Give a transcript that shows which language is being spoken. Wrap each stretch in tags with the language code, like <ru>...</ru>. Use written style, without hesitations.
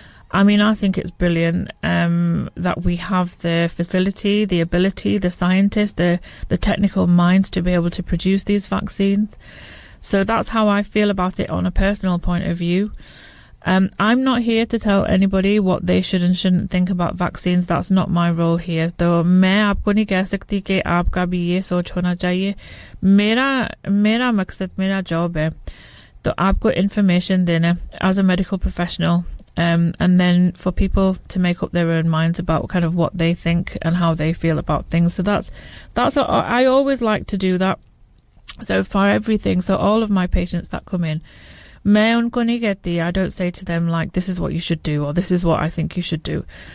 <en>I mean, I think it's brilliant that we have the facility, the ability, the scientists, the technical minds to be able to produce these vaccines. So that's how I feel about it on a personal point of view. I'm not here to tell anybody what they should and shouldn't think about vaccines. That's not my role here.</en> <hi>तो मैं आपको नहीं कह सकती कि आपका भी ये सोच होना चाहिए. मेरा मकसद, मेरा जॉब है तो आपको इन्फॉर्मेशन देना</hi> <en>as a medical professional, and then for people to make up their own minds about kind of what they think and how they feel about things. So that's what I always like to do that. So for everything, so all of my patients that come in,</en> <hi>मैं उनको नहीं कहती,</hi> <en>I don't say to them like, this is what you should do, or this is what I think you should do.</en>